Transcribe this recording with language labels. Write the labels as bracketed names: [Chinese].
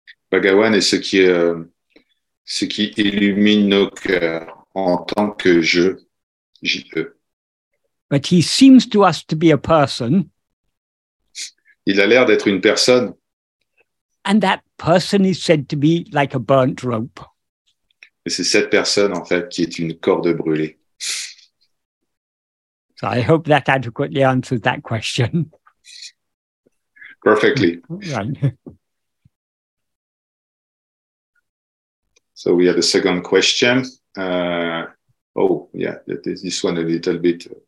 [French] Bhagavan est ce qui illumine nos cœurs en tant que je, J-E. [English] But he seems to us to be a person. [French] Il a l'air d'être une personne. [English] And that person is said to be like a burnt rope. [French] Et c'est cette personne, en fait, qui est une corde brûlée. [English] So I hope that adequately answers that question. Perfectly. Right. So we have a second question. This one a little bit...